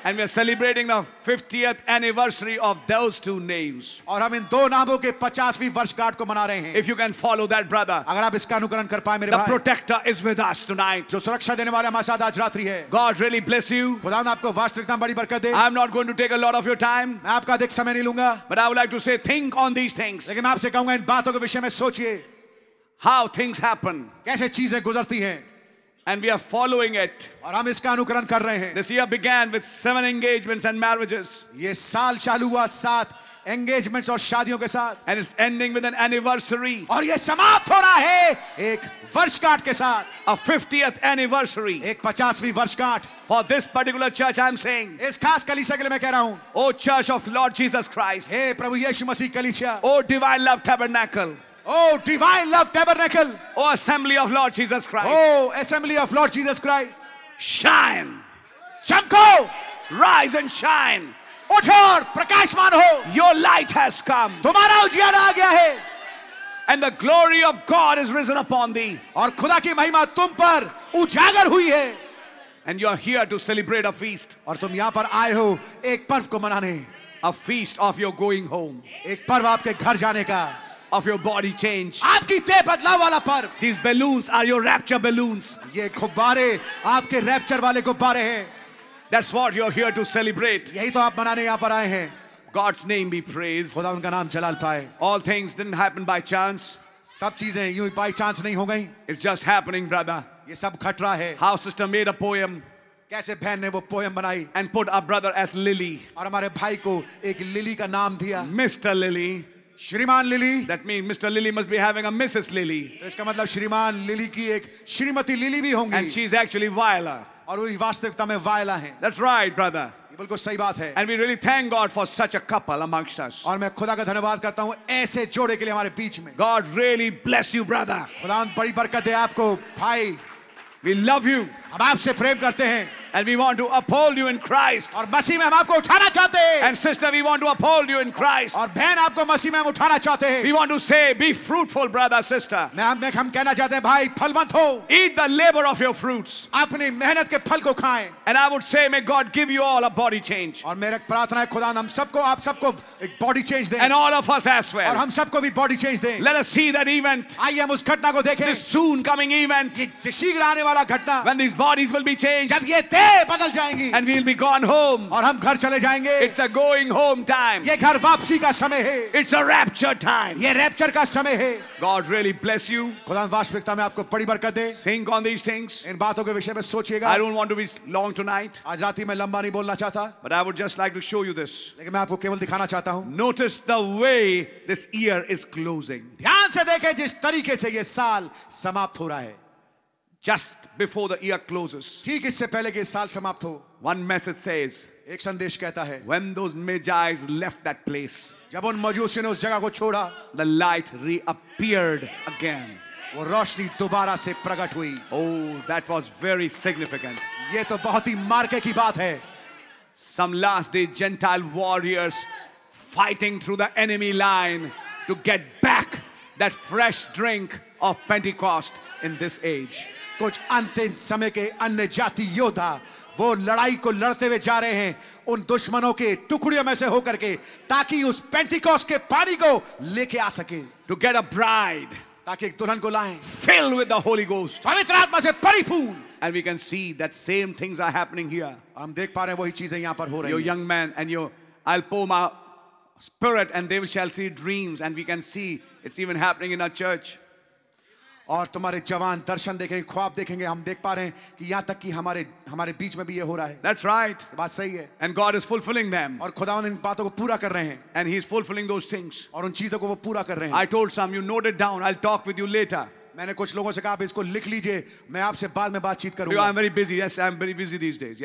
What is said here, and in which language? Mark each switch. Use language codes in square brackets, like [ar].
[en] And we are celebrating the 50th anniversary of those two names. [hi] और हम इन दो नामों के 50वीं वर्षगांठ को मना रहे हैं. [en] If you can follow that, brother. [hi] अगर आप इसका अनुकरण कर पाए मेरे भाई. [en] The protector is with us tonight. [hi] जो सुरक्षा देने वाले हमारे साथ आज रात्रि है. [en] God really bless you. [hi] खुदा ने आपको वास्तविकता बड़ी बरकत दे. [en] I am not going to take a lot of your time. [hi] मैं आपका अधिक समय नहीं लूंगा. [en] But I would like to say, think on these things. [hi] लेकिन मैं आपसे कहूंगा इन बातों के विषय में सोचिए. [en] How things happen. [hi] कैसे चीजें गुजरती हैं? [en] And we are following it. [hi] और हम इसका अनुकरण कर रहे हैं. [en] This year began with 7 engagements and marriages. [hi] ये साल चालू हुआ 7 engagements और शादियों के साथ. [en] And it's ending with an anniversary. [hi] और ये समाप्त हो रहा है एक वर्षगांठ के साथ. [en] A 50th anniversary. [hi] एक 50वीं वर्षगांठ. [en] For this particular church, I'm saying. [hi] इस खास कलीसिया के लिए मैं कह रहा हूँ. [en] O Church of Lord Jesus Christ. [hi] हे प्रभु यीशु मसीह कलीसिया. [en] O Divine Love Tabernacle. Oh, divine love tabernacle. Oh, assembly of Lord Jesus Christ. Oh, assembly of Lord Jesus Christ. Shine. [hi] Chamko. [en] Rise and shine. [hi] Uthor, prakashman ho. [en] Your light has come. [hi] Tumhara ujiyala aa gaya hai. [en] and the glory of God is risen upon thee. [hi] और खुदा की महिमा तुम पर उजागर हुई है. [en] And you are here to celebrate a feast. [hi] और तुम यहाँ पर आए हो एक पर्व को मनाने. [en] A feast of your going home. [hi] एक पर्व आपके घर जाने का. [en] Of your body change. [hi] आपकी देह बदलाव वाला पर्व. [en] These balloons are your rapture balloons. [hi] ये गुब्बारे आपके रैप्चर वाले गुब्बारे हैं. [en] That's what you're here to celebrate. [hi] यही तो आप मनाने यहाँ पर आए हैं. [en] God's name be praised. [hi] खुदा उनका नाम जलाल पाए. [en] All things didn't happen by chance. [hi] सब चीजें यूं ही [en] by chance [hi] नहीं हो गईं. [en] It's just happening, brother. [hi] ये सब घट रहा है. [en] How sister made a poem. [hi] कैसे बहन ने वो poem बनाई. [en] And put our brother as Lily. [hi] और हमारे भाई को एक Lily का नाम दिया. [en] Mr. Lily. [hi] श्रीमान Lily. [en] That means Mr. Lily must be having a Mrs. Lily. [hi] तो इसका मतलब श्रीमान Lily की एक श्रीमती Lily भी होंगी. [en] And she's actually Viola. [hi] और वो वास्तविकता में Viola हैं. [en] That's right, brother. [hi] बिल्कुल सही बात है. [en] And we really thank God for such a couple amongst us. [hi] और मैं खुदा का धन्यवाद करता हूँ ऐसे जोड़े के लिए हमारे बीच में. [en] God really bless you, brother. [hi] खुदा बड़ी बरकत दे आपको भाई. [en] We love you. [hi] हम आपसे प्रेम करते हैं. [en] And we want to uphold you in Christ. [hi] और मसीह में हम आपको उठाना चाहते हैं. [en] And sister, we want to uphold you in Christ. [hi] और बहन आपको मसीह में हम उठाना चाहते हैं. [en] We want to say, be fruitful, brother, sister. [hi] मैं हम कहना चाहते हैं भाई फलवंत हो. [en] Eat the labor of your fruits. [hi] अपनी मेहनत के फल को खाएं. [en] And I would say, may God give you all a body change. [hi] और मेरा प्रार्थना है खुदा हम सबको आप सबको एक [en] body change [hi] दें. [en] And all of us as well. [hi] और हम सबको भी [en] body change [hi] दें. [en] Let us see that event. [hi] आइए हम उस घटना को देखें. [en] This soon coming event. [hi] ये शीघ्र आने वाला घटना. [en] When these bodies will be changed. [hi] जब ये बदल जाएंगी. [en] And we'll be gone home. [hi] और हम घर चले जाएंगे. [en] It's a going home time. [hi] ये घर वापसी का समय है. [en] It's a rapture time. [hi] ये रैप्चर का समय है. [en] God really bless you. [hi] खुदा वास्तविकता में आपको बड़ी बरकत दे. [en] Think on these things. [hi] इन बातों के विषय में सोचिएगा. [en] I don't want to be long tonight. [hi] आज रात ही मैं लंबा नहीं बोलना चाहता. [en] But I would just like to show you this. [hi] लेकिन मैं आपको केवल दिखाना चाहता हूँ. [en] Notice the way this year is closing. [hi] ध्यान से देखें जिस तरीके से ये साल समाप्त हो रहा है. [en] Just before the year closes. [hi] ठीक इससे पहले कि साल समाप्त हो. [en] One message says. [hi] एक संदेश कहता है. [en] When those magi's left that place. [hi] जब उन मजूसियों ने उस जगह को छोड़ा. [en] The light reappeared again. [hi] वो रोशनी दोबारा से प्रकट हुई. [en] Oh, that was very significant. [hi] ये तो बहुत ही मार्के की बात है. [en] Some last day Gentile warriors fighting through the enemy line to get back that fresh drink of Pentecost in this age. [hi] कुछ अंतिम समय के अन्य जाति योद्धा वो लड़ाई को लड़ते हुए जा रहे हैं उन दुश्मनों के टुकड़ियों में से होकर के ताकि उस पेंटिकॉस्ट के पानी को लेके आ सके. [en] to get a bride [hi] ताकि एक दुल्हन को लाएं. [en] fill with the holy ghost [hi] पवित्र आत्मा से परिपूर्ण. [en] And we can see that same things are happening here. [hi] हम देख पा रहे हैं वही चीजें यहां पर हो रही. [en] Your young man and your I pour my spirit and they shall see dreams and we can see it's even happening in our church. [hi] और तुम्हारे जवान दर्शन देखेंगे ख्वाब देखेंगे हम देख पा रहे हैं कि यहाँ तक कि हमारे हमारे बीच में भी ये हो रहा है. [en] That's right. [hi] बात सही है. [en] And God is fulfilling them. [hi] और खुदावन इन बातों को पूरा कर रहे हैं. [en] And he is fulfilling those things. [hi] और उन चीजों को वो पूरा कर रहे हैं. [en] I told some, you note it down. I'll talk with you later. [hi] मैंने कुछ लोगों से कहा आप इसको लिख लीजिए मैं आपसे बाद में बातचीत करूंगा. [en] I'm very busy. Yes, I'm very busy these days.